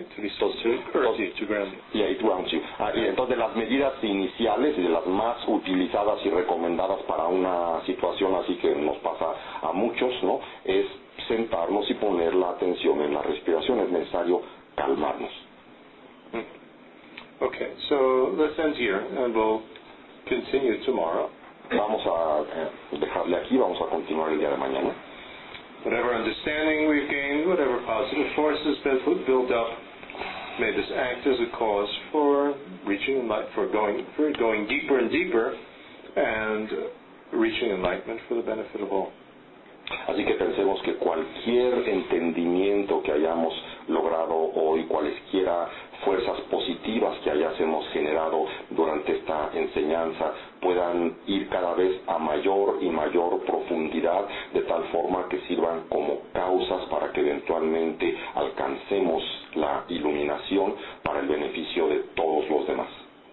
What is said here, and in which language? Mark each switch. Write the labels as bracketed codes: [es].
[en] It grounds you. [es] Y entonces, de las medidas iniciales y de las más utilizadas y recomendadas para una situación así que nos pasa a muchos, ¿no?, es sentarnos y poner la atención en la respiración. Es necesario calmarnos. [en] Okay, so let's end here, and we'll continue tomorrow. [es] Vamos a dejarle aquí, vamos a continuar el día de mañana. [en] Whatever understanding we've gained, whatever positive forces that would build up, may this act as a cause for reaching enlightenment, for going deeper and deeper, and reaching enlightenment for the benefit of all. [es] Así que pensemos que cualquier entendimiento que hayamos logrado hoy, cualesquiera fuerzas positivas que hayamos generado durante esta enseñanza, puedan ir cada vez a mayor y mayor profundidad, de tal forma que sirvan como causas para que eventualmente alcancemos la iluminación para el beneficio de todos los demás.